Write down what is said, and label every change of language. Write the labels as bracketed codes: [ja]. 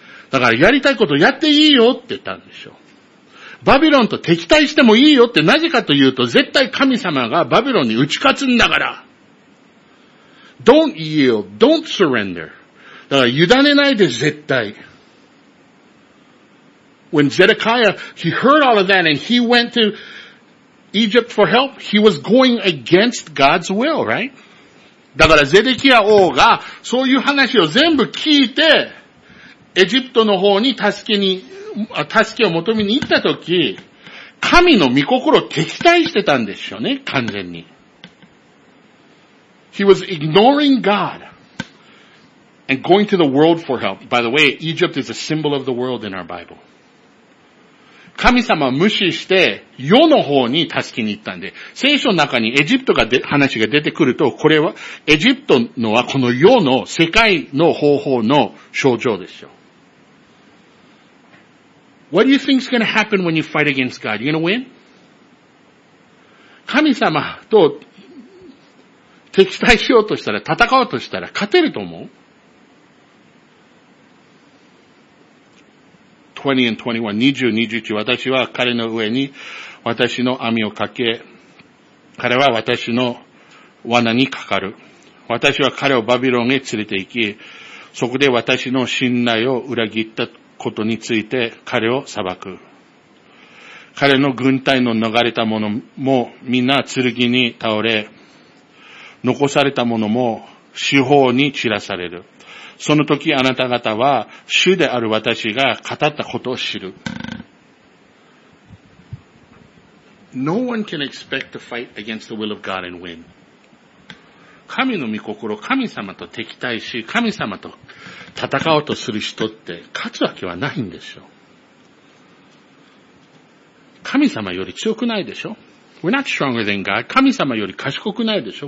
[ja] だからやりたいことやっていいよって言ったんでしょう。バビロンと敵対してもいいよってなぜかというと、絶対神様がバビロンに打ち勝つんだから。 [en] Don't yield, don't surrender. [ja] だから委ねないで絶対。 [en] When Zedekiah, he heard all of that and he went to Egypt for help, he was going against God's will, right? [ja] だからゼデキア王がそういう話を全部聞いて、エジプトの方に助けを求めに行ったとき、神の御心を敵対してたんでしょうね、完全に。 [en] He was ignoring God and going to the world for help. By the way, Egypt is a symbol of the world in our Bible. [ja] 神様を無視して世の方に助けに行ったんで、聖書の中にエジプトが話が出てくると、これはエジプトのはこの世の世界の方法の象徴でしょう。 [en] What do you think is going to happen when you fight against God? You're going to win? [ja] 神様と敵対しようとしたら、戦おうとしたら勝てると思う ?20 and 21, 20, 21, 私は彼の上に私の網をかけ、彼は私の罠にかかる。私は彼をバビロンへ連れて行き、そこで私の信頼を裏切ったことについて彼を裁く。彼の軍隊の逃れた者もみんな剣に倒れ、残された者も四方に散らされる。その時あなた方は主である私が語ったことを知る。 [en] No one can expect to fight against the will of God and win. [ja] 神の御心、神様と敵対し、神様と戦おうとする人って勝つわけはないんでしょう。神様より強くないでしょ。 [en] We're not stronger than God. [ja] 神様より賢くないでしょ。